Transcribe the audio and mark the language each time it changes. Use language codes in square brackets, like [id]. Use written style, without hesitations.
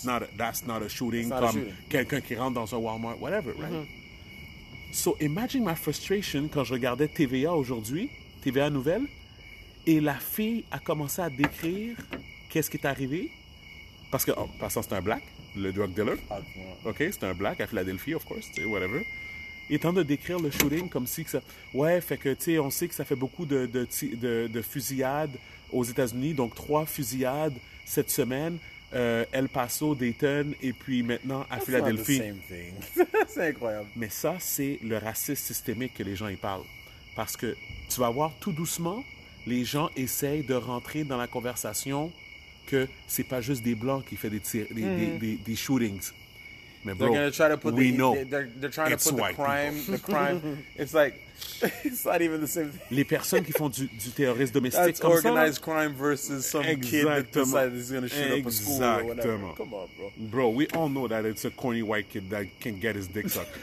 [en] That's not a shooting, not comme a shooting. [fr] Quelqu'un qui rentre dans un Walmart, [en] whatever, right? So imagine my frustration [fr] quand je regardais TVA aujourd'hui, TVA Nouvelle, et la fille a commencé à décrire qu'est-ce qui est arrivé. Parce que, en passant, c'est un black, le drug dealer. OK, c'est un black à Philadelphie, [en] of course, [fr] tu sais, whatever. Étant de décrire le shooting comme si que ça... Ouais, fait que, tu sais, on sait que ça fait beaucoup de fusillades aux États-Unis. Donc, 3 fusillades cette semaine. El Paso, Dayton, et puis maintenant à [en] That's [fr] Philadelphie. [en] Not the same thing. [fr] C'est incroyable. Mais ça, c'est le racisme systémique que les gens y parlent. Parce que tu vas voir, tout doucement, les gens essayent de rentrer dans la conversation que c'est pas juste des Blancs qui font des shootings. [en] Mais bro, they're trying to put the crime. It's not even the same thing. [fr] Les personnes qui font du terrorisme domestique [en] that's [fr] comme ça. [en] Organized crime versus some kid that decided he's gonna shoot up a school or whatever. Come on, bro. Bro, we all know that it's a corny white kid that can get his dick sucked.